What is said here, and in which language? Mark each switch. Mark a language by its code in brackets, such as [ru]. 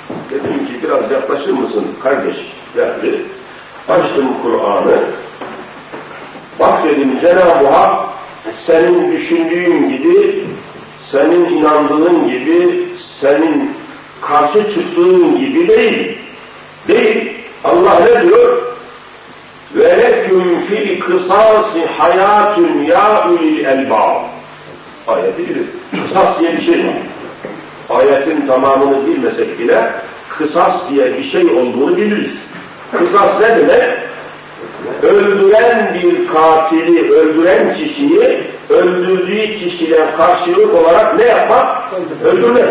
[tr] Dedim ki biraz yaklaşır mısın kardeş? Geldi. Açtım Kur'an'ı. Bak dedim Cenab-ı Hak senin düşündüğün gibi, senin inandığın gibi, senin karşı çıktığın gibi değil. Değil. Allah ne diyor? [ar] وَلَكُمْ فِي قِصَاصِ حَيَاتٌ يَا اُلِي الْاَلْبَابِ [tr] Ayeti bilir. Kısas diye bir şey var. Ayetin tamamını bilmesek bile kısas diye bir şey olduğunu biliriz. Kısas ne demek? Öldüren bir katili, öldüren kişiyi öldürdüğü kişiyle karşılık olarak ne yapmak? Öldürmek.